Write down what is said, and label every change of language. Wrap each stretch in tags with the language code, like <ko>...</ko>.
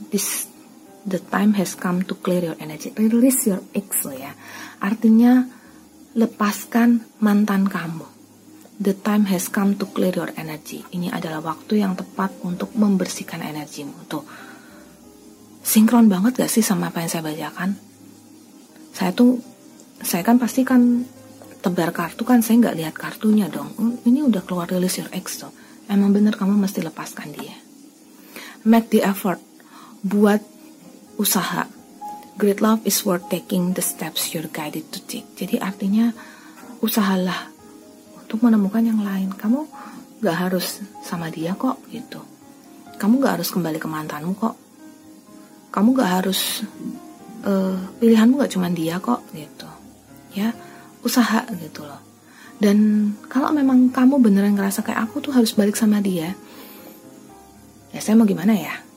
<en>This the time has come to clear your energy. Release your ex loh ya.</en> <id>Artinya lepaskan mantan kamu.</id> <en>The time has come to clear your energy.</en> <id>Ini adalah waktu yang tepat untuk membersihkan energimu. Tuh, sinkron banget gak sih sama apa yang saya bacakan? Saya kan pasti kan tebar kartu kan, saya gak lihat kartunya dong. Ini udah keluar</id> <en>release your ex</en> <id>tuh. Emang bener kamu mesti lepaskan dia.</id> <en>Make the effort.</en> <id>Buat usaha.</id> <en>great love is worth taking the steps you're guided to take.</en> <id>Jadi artinya usahalah untuk menemukan yang lain. Kamu gak harus sama dia kok gitu. Kamu gak harus kembali ke mantanmu kok. Kamu gak harus pilihanmu gak cuma dia kok gitu. Ya, usaha gitu loh. Dan kalau memang kamu beneran ngerasa kayak aku tuh harus balik sama dia, ya saya mau gimana ya?</id>